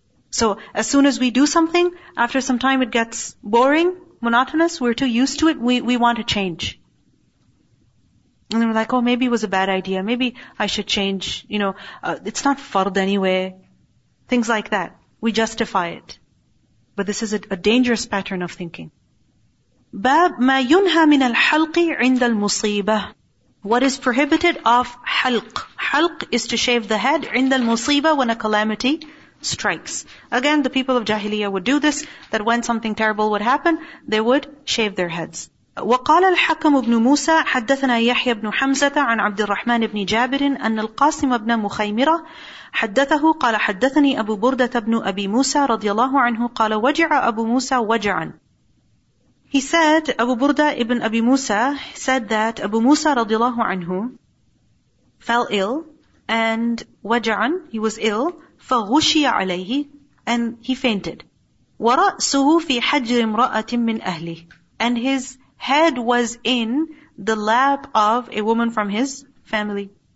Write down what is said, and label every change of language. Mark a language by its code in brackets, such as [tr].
[en] So as soon as we do something, after some time it gets boring, monotonous, we're too used to it, we want to change. And then we're like, oh, maybe it was a bad idea, maybe I should change, you know, it's not fard anyway. Things like that. We justify it. But this is a dangerous pattern of thinking. [ar] باب ما ينهى من الحلق عند المصيبة. [en] What is prohibited of حلق. حلق is to shave the head [ar] عند المصيبة, [en] when a calamity strikes. Again, the people of Jahiliyyah would do this, that when something terrible would happen, they would shave their heads. [ar] وقال الحكم بن موسى حدثنا يحيى بن حمزة عن عبد الرحمن بن جابر أن القاسم بن مخيمرة حدثه قال حدثني أبو بردة بن أبي موسى رضي الله عنه قال وجع أبو موسى وجعا. [en] He said, Abu Burda ibn Abi Musa said that Abu Musa radiallahu anhu fell ill and waja'an, he was ill, faghushiya alayhi, and he fainted. [ar] وَرَأْسُهُ فِي حَجْرِ امْرَأَةٍ مِّنْ أَهْلِهِ, [en] and his head was in the lap of a woman from his family.